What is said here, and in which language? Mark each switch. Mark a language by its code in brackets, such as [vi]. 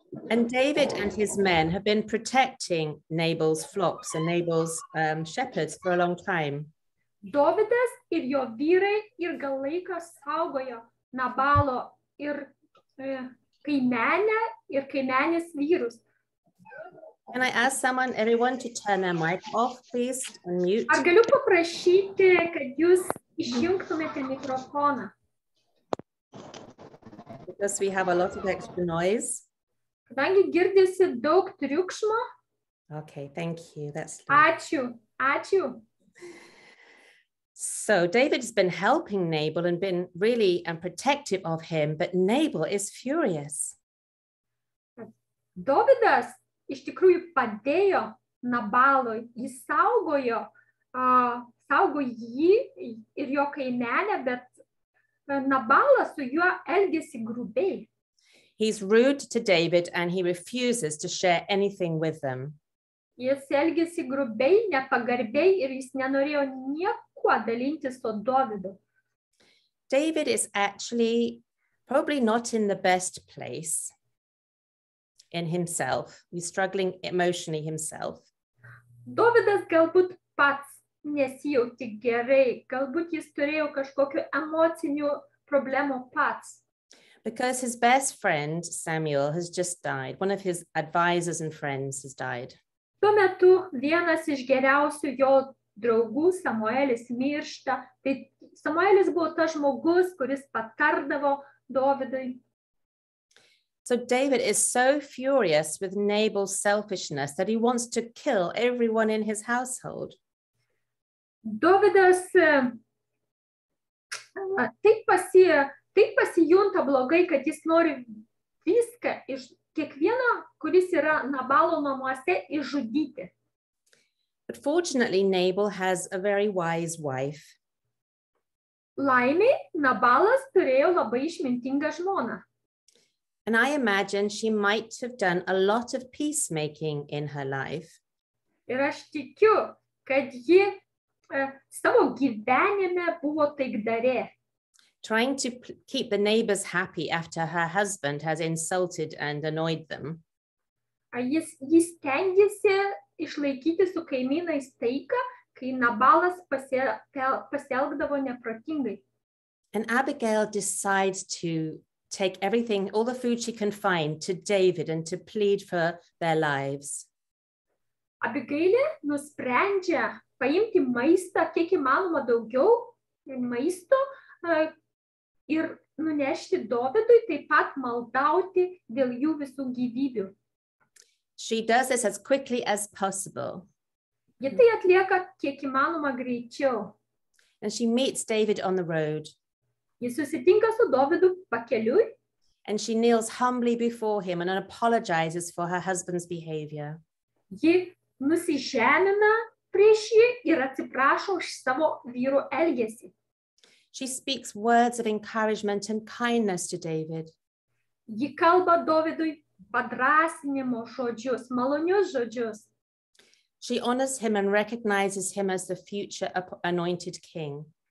[en] And David and his men have been protecting Nabal's flocks and Nabal's shepherds for a long time. [lt] Dovydas ir jo vyrai ilgą laiką saugojo Nabalo ir kaimenę ir kaimenės vyrus. [en] Can I ask someone, everyone, to turn their mic off, please, and mute? [lt] Ar galiu paprašyti, kad jūs išjungtumėte mikrofoną? [en] Because we have a lot of extra noise. [lt] Kadangi girdėsi daug triukšmo. [en] Okay, thank you. That's [lt] ačiū, ačiū. [en] So David's been helping Nabal and been really protective of him, but Nabal is furious. [lt] Dovydas iš tikrųjų padėjo Nabalui, jis saugojo, jį ir jo kaimenę, bet Nabalas su juo elgėsi grubiai. [en] He's rude to David and he refuses to share anything with them. [lt] Jis elgėsi grubiai, nepagarbiai ir jis nenorėjo niekuo dalintis su Dovydu. [en] David is actually probably not in the best place in himself. He's struggling emotionally himself. [lt] Dovydas galbūt pats nesijauti gerai, galbūt jis turėjo kažkokių emocinių problemų pats. [en] Because his best friend, Samuel, has just died. One of his advisors and friends has died. [lt] Tuo metu vienas iš geriausių jo draugų, Samuelis, miršta. Tai Samuelis buvo tas žmogus, kuris patardavo Dovidui. [en] So David is so furious with Nabal's selfishness that he wants to kill everyone in his household. [lt] Dovidas taip pasijunta blogai, kad jis nori viską iš kiekvieno, kuris yra Nabalo namuose, išžudyti. [en] But fortunately, Nabal has a very wise wife. [lt] Laimei, Nabalas turėjo labai išmintingą žmoną. [en] And I imagine she might have done a lot of peacemaking in her life. [lt] Ir aš tikiu, kad ji savo gyvenime buvo taikdarė. [en] Trying to keep the neighbors happy after her husband has insulted and annoyed them. [lt] Ji stengiasi išlaikyti su kaimynais taiką, kai Nabalas pasielgdavo neprotingai. [en] And Abigail decides to take everything, all the food she can find, to David and to plead for their lives. [lt] Abigailė nusprendžia paimti maistą, kiek įmanoma daugiau maisto, ir nunešti Dovidui, taip pat maldauti dėl jų visų gyvybių. [en] She does this as quickly as possible. [lt] Ji tai atlieka kiek įmanoma greičiau. [en] And she meets David on the road. [lt] Ji susitinka su Dovidu pakeliui. [en] And she kneels humbly before him and apologizes for her husband's behavior. [lt] Ji nusižemina prieš jį ir atsiprašo už savo vyro elgesį. [en] She speaks words of encouragement and kindness to David. [lt] Ji kalba Dovidui padrasinimo žodžius, malonius žodžius. [en] She honors him and recognizes him as the future anointed king.